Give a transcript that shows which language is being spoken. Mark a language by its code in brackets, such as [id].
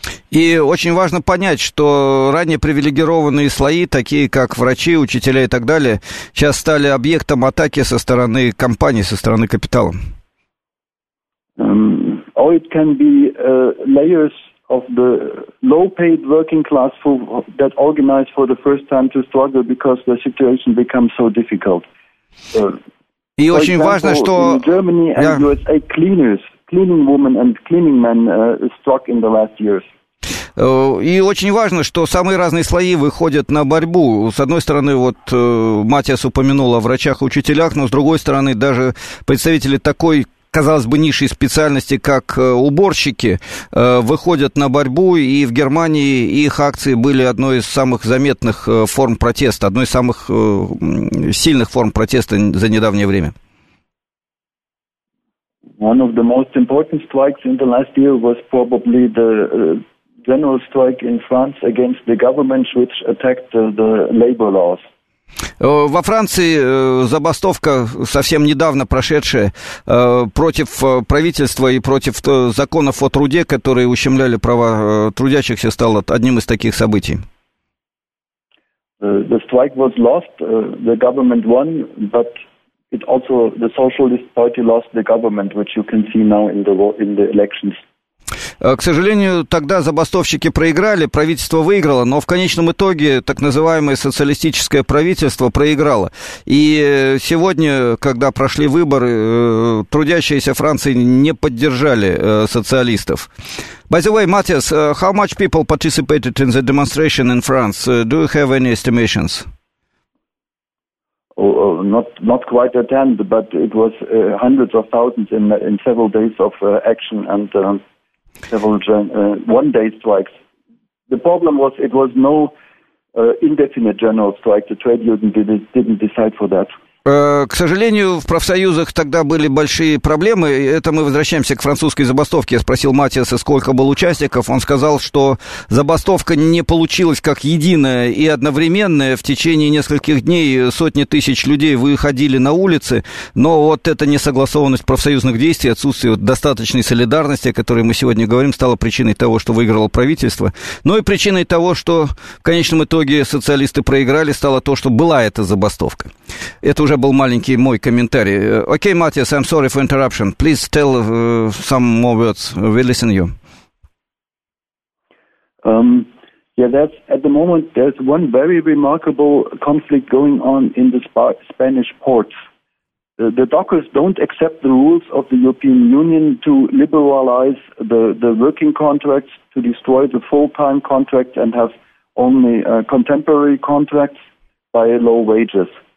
[ru] И очень важно понять, что ранее привилегированные слои, такие как врачи, учителя и так далее, сейчас стали объектом атаки со стороны компаний, со стороны капитала. [en] Or it can be layers of the low-paid working class who that organized for the first time to struggle because the situation becomes so difficult. [ru] И [en] for [ru] очень [en] example, [ru] важно, что [en] in Germany and USA cleaners, cleaning women and cleaning men struck in the last years. [ru] И очень важно, что самые разные слои выходят на борьбу. С одной стороны, вот Матиас упомянул о врачах и учителях, но с другой стороны, даже представители такой, казалось бы, низшей специальности, как уборщики, выходят на борьбу, и в Германии их акции были одной из самых заметных форм протеста, одной из самых сильных форм протеста за недавнее время. [en] One of the most important strikes in the last year was probably the general strike in France against the government, which attacked the labor laws. [ru] Во Франции забастовка, совсем недавно прошедшая, против правительства и против законов о труде, которые ущемляли права трудящихся, стала одним из таких событий. [en] The strike was lost, the government won, but it also the Socialist Party lost the government, which you can see now in the elections. [ru] К сожалению, тогда забастовщики проиграли, правительство выиграло, но в конечном итоге так называемое социалистическое правительство проиграло. И сегодня, когда прошли выборы, трудящиеся Франции не поддержали социалистов. [en] By the way, Matthias, how much people participated in the demonstration in France? Do you have any estimations? Not quite at hand, but it was hundreds of thousands in several days of action and several one-day strikes. The problem was it was no indefinite general strike. The trade union didn't decide for that. [ru] К сожалению, в профсоюзах тогда были большие проблемы. Это мы возвращаемся к французской забастовке. Я спросил Матиаса, сколько было участников. Он сказал, что забастовка не получилась как единая и одновременная. В течение нескольких дней сотни тысяч людей выходили на улицы. Но вот эта несогласованность профсоюзных действий, отсутствие достаточной солидарности, о которой мы сегодня говорим, стала причиной того, что выиграло правительство. Ну и причиной того, что в конечном итоге социалисты проиграли, стало то, что была эта забастовка. Это уже был маленький мой комментарий. [en] Okay, Matthias, I'm sorry for interruption. Please tell some more words. We listen to you. Yeah, that's at the moment. There's one very remarkable conflict going on in the Spanish ports. The dockers don't accept the rules of the European Union to liberalize the working contracts, to destroy the full-time contracts and have only contemporary contracts by low wages.